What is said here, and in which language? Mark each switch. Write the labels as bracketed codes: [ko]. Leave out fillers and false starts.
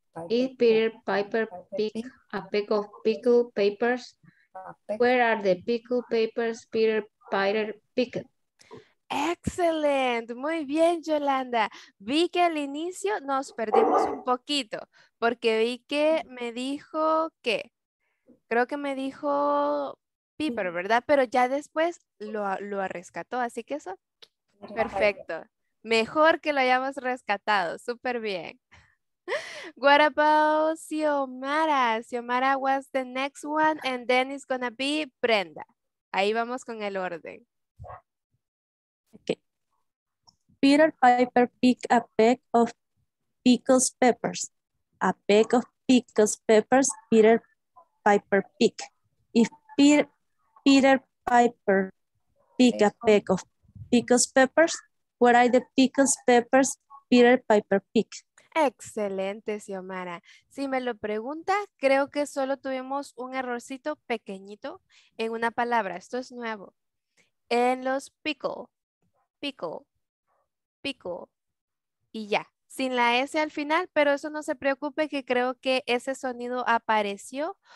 [en] If Peter Piper picked a peck of pickled peppers, where are the pickled peppers Peter Piper picked? [es] ¡Excelente! Muy bien, Yolanda. Vi que al inicio nos perdimos un poquito, porque vi que me dijo que, creo que me dijo Piper, ¿verdad? Pero ya después lo rescató, así que eso, perfecto. Mejor que lo hayamos rescatado, súper bien. [en] What about Xiomara? Xiomara was the next one, and then it's gonna be Brenda. [es] Ahí vamos con el orden. [en] Peter Piper picked a peck of pickled peppers. A peck of pickled peppers, Peter Piper picked. If Peter Piper picked a peck of pickled peppers, where are the pickled peppers Peter Piper picked? [es] Excelente, Xiomara. Si me lo pregunta, creo que solo tuvimos un errorcito pequeñito en una palabra. Esto es nuevo. En los pico, y ya, sin la S al final, pero eso no se preocupe, que creo que ese sonido apareció